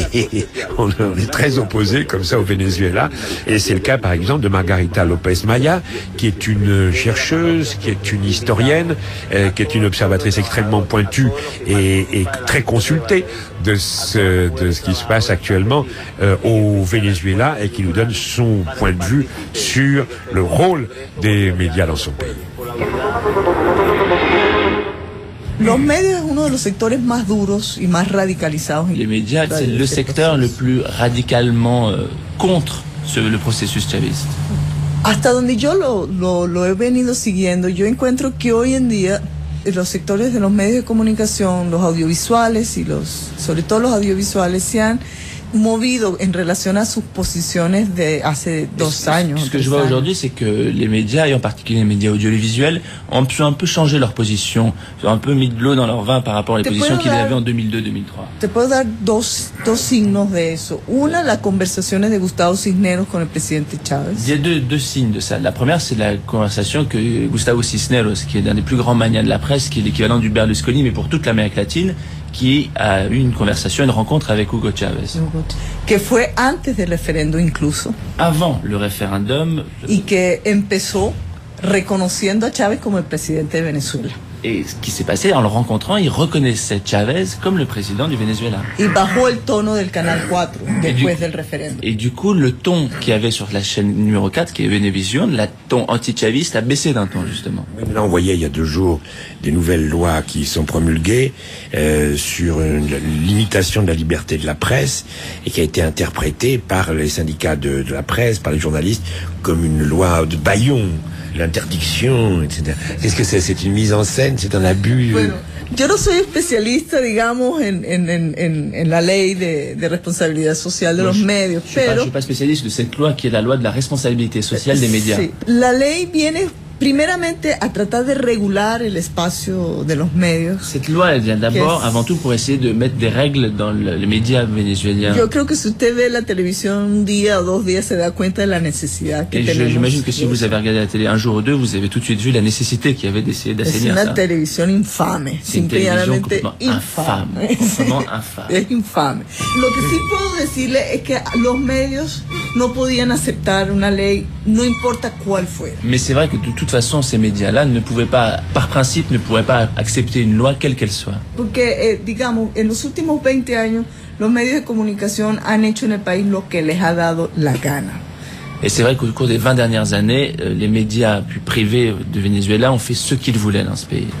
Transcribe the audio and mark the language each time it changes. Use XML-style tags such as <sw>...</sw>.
<fr>Et on est très opposés comme ça au Venezuela. Et c'est le cas, par exemple, de Margarita López Maya, qui est une chercheuse, qui est une historienne, qui est une observatrice extrêmement pointue et très consultée de ce qui se passe actuellement au Venezuela, et qui nous donne son point de vue sur le rôle des médias dans son pays.</fr> <es>Los medios es uno de los sectores más duros y más radicalizados.</es> <fr>Les médias, c'est le secteur le plus radicalement contre le processus chaviste.</fr> <es>Hasta donde yo lo he venido siguiendo, yo encuentro que hoy en día los sectores de los medios de comunicación, los audiovisuales y los, sobre todo los audiovisuales, se han movido en relación a sus posiciones de hace dos años.</es> <fr>Ce que je vois aujourd'hui, c'est que les médias, et en particulier les médias audiovisuels, ont pu un peu changer leur position, ont un peu mis de l'eau dans leur vin par rapport à les positions qu'ils avaient en 2002-2003.</fr> <es>Te puedo dar dos signos de eso. Una, las conversaciones de Gustavo Cisneros con el presidente Chávez.</es> <fr>Il y a deux signes de ça. La première, c'est la conversation que Gustavo Cisneros, qui est l'un des plus grands manias de la presse, qui est l'équivalent du Berlusconi, mais pour toute l'Amérique latine, qui a eu une conversation, une rencontre avec Hugo Chavez.</fr> <es>Que fue antes del referendo incluso.</es> <fr>Avant le référendum.</fr> <es>Y que empezó reconociendo a Chávez como el presidente de Venezuela.</es> <fr>Et ce qui s'est passé, en le rencontrant, il reconnaissait Chávez comme le président du Venezuela.</fr> <es>Il bajó el tono del canal 4 después del referéndum.</es> <fr>Et du coup, le ton qu'il y avait sur la chaîne numéro 4, qui est Venevisión, le ton anti-chaviste a baissé d'un ton, justement. Oui, là, on voyait il y a deux jours des nouvelles lois qui sont promulguées sur une limitation de la liberté de la presse et qui a été interprétée par les syndicats de la presse, par les journalistes, comme une loi de Bayon. L'interdiction, etc. Qu'est-ce que c'est? C'est une mise en scène? C'est un abus?</fr> <es>Bueno, yo no soy especialista, digamos, en la ley de responsabilidad social de los medios,</es> <fr>pero... Je ne suis pas spécialiste de cette loi qui est la loi de la responsabilité sociale des médias.</fr> <es>Sí. La ley viene primeramente a tratar de regular el espacio de los medios.</es> <fr>Cette loi, elle vient d'abord, avant tout, pour essayer de mettre des règles dans les médias vénézuéliens.</fr> <es>Yo creo que si usted ve la televisión un día o dos días, se da cuenta de la necesidad que tenemos.</es> <fr>Et j'imagine que si vous avez regardé la télé un jour ou deux, vous avez tout de suite vu la nécessité qu'il y avait d'essayer d'assainir ça. C'est une télévision infame. C'est une télévision complètement infâme.</fr> <es>Lo que sí puedo decirle es que los medios no podían aceptar una ley, no importa cuál fuera.</es> <fr>Mais c'est vrai que de toute façon, ces médias-là ne pouvaient pas, par principe, ne pouvaient pas accepter une loi quelle qu'elle soit.</fr> <es>Porque, digamos, en los últimos 20 años, los medios de comunicación han hecho en el país lo que les ha dado la gana.</es> <fr>Et c'est vrai qu'au cours des 20 dernières années, les médias plus privés de Venezuela ont fait ce qu'ils voulaient dans ce pays.</fr>